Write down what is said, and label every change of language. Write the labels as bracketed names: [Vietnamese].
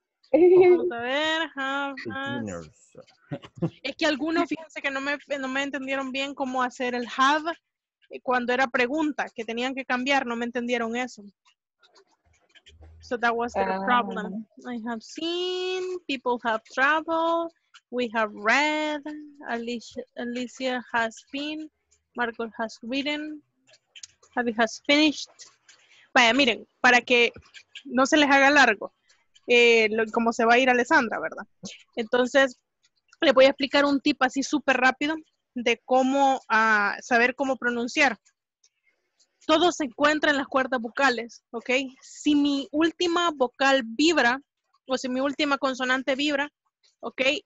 [Spanish] Vamos a ver, es que algunos, fíjense que no me entendieron bien cómo hacer el have cuando era pregunta, que tenían que cambiar, no me entendieron eso. [English] So that was the problem. I have seen, people have traveled, we have read, Alicia has been, Marcos has written, Javi has finished. [Spanish] Vaya, miren, para que no se les haga largo, como se va a ir Alessandra, ¿verdad? Entonces, le voy a explicar un tip así súper rápido de cómo saber cómo pronunciar. Todo se encuentra en las cuerdas vocales, ¿ok? Si mi última vocal vibra, o si mi última consonante vibra, ¿ok?